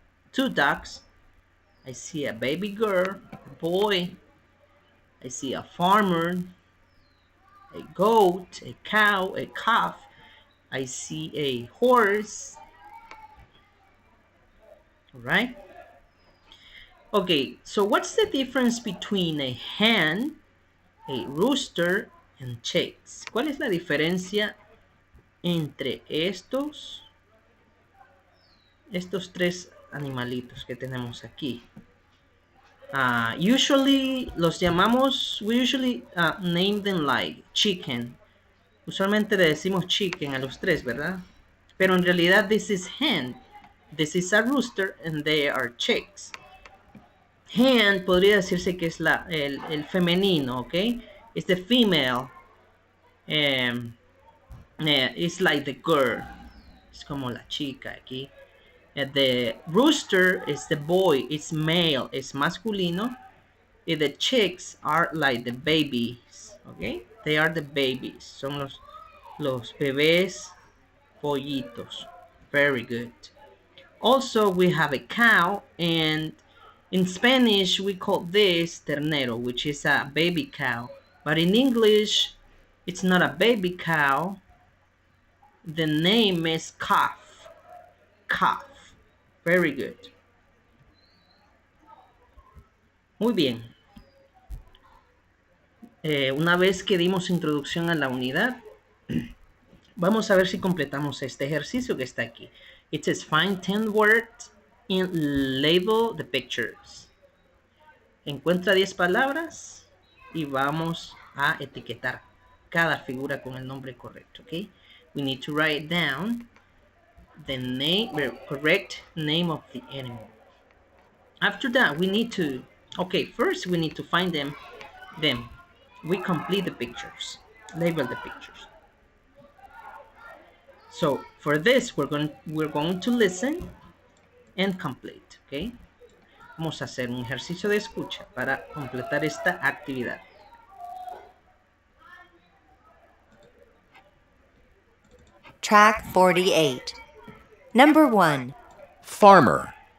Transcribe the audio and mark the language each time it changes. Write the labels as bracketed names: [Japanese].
[English] Two ducks, I see a baby girl, a boy, I see a farmer, a goat, a cow, a calf, I see a horse. Alright? Okay, so what's the difference between a hen, a rooster, and chicks? [Spanish] ¿Cuál es la diferencia entre estos tres animalitos que tenemos aquí? [English] Usually [Spanish] los llamamos, [English] we usually name them like chicken. [Spanish] Usualmente le decimos chicken a los tres, ¿verdad? Pero en realidad [English] this is hen, this is a rooster, and they are chicks. [Spanish] Hen podría decirse que es el femenino, ¿ok? [English] It's the female. It's like the girl. [Spanish] Es como la chica aquí. [English] The rooster is the boy, it's male, it's masculino. And the chicks are like the babies, okay? They are the babies, [Spanish] son los bebés pollitos. [English] Very good. Also, we have a cow, and in Spanish, we call this ternero, which is a baby cow. But in English, it's not a baby cow. The name is calf. Calf. Very good. [Spanish] Muy bien. Una vez que dimos introducción a la unidad, vamos a ver si completamos este ejercicio que está aquí. [English] It says find 10 words and label the pictures. [Spanish] Encuentra 10 palabras y vamos a etiquetar cada figura con el nombre correcto. [English] Okay? We need to write down the name, correct name of the animal. After that, we need to, okay, first we need to find them. We complete the pictures, label the pictures. So for this, we're going to listen and complete, okay? [Spanish] Vamos a hacer un ejercicio de escucha para completar esta actividad. [English] Track 48. Number 1. Farmer.